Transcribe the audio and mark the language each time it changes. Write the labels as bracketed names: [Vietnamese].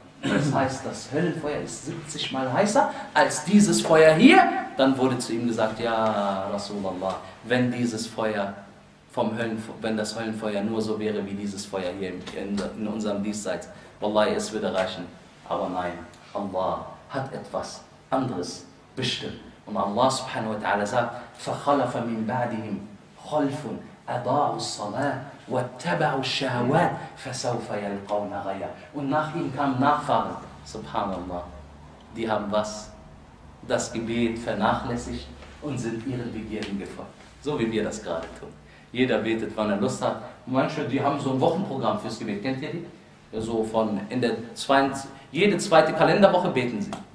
[German] Das heißt, das Höllenfeuer ist 70 mal heißer als dieses Feuer hier. Dann wurde zu ihm gesagt, ja, Rasulallah, wenn dieses Feuer vom Höllenfeuer, wenn das Höllenfeuer nur so wäre wie dieses Feuer hier in unserem Diesseits, wallahi, es würde reichen. Aber nein, Allah hat etwas anderes bestimmt. Und Allah subhanahu wa ta'ala sagt, [Arabic] فَخَلَفَ مِنْ بَعْدِهِمْ خَلْفٌ أَضَاعُ الصَّلَاةِ وَاتَّبَعُ الشَّهَوَاتِ فَسَوْفَ يَلْقَوْنَ غَيَّا. [German] Und nach ihm kam Nachfahren, subhanallah, die haben was? Das Gebet vernachlässigt und sind ihren Begierden gefolgt. So wie wir das gerade tun. Jeder betet, wann er Lust hat. Manche, die haben so ein Wochenprogramm fürs Gebet. Kennt ihr die? So von in der jede zweite Kalenderwoche beten sie.